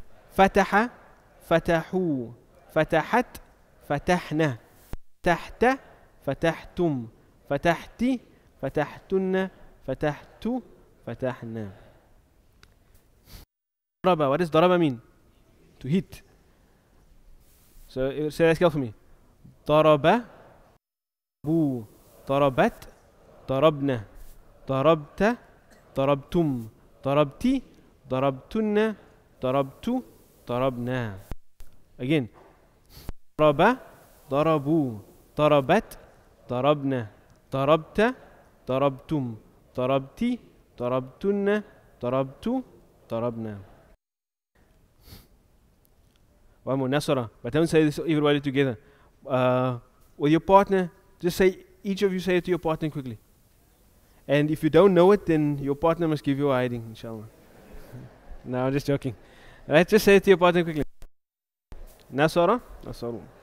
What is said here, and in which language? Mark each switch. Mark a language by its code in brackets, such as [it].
[ar] فتح فتحو فتحت فتحنا فتحت فتحتم فتحتي فتحتن فتحتو فتحنا. ضرب. [en] What does ضرب mean? To hit. So say that skill for me. [ar] ضرب بو ضربت ضربنا ضربت ضربتم ضربتي ضربتن ضربت ضربنا. [en] Again. [ar] ضرب ضربوا ضربت ضربنا ضربت ضربتم ضربتي ضربتن ضربت ضربنا. [en] One more, Nasra. But don't say this everybody together. With your partner, just say, each of you say it to your partner quickly. And if you don't know it, then your partner must give you a hiding, inshallah. No, I'm just joking. Right, just say it to your partner quickly. Nasara? Nasaru.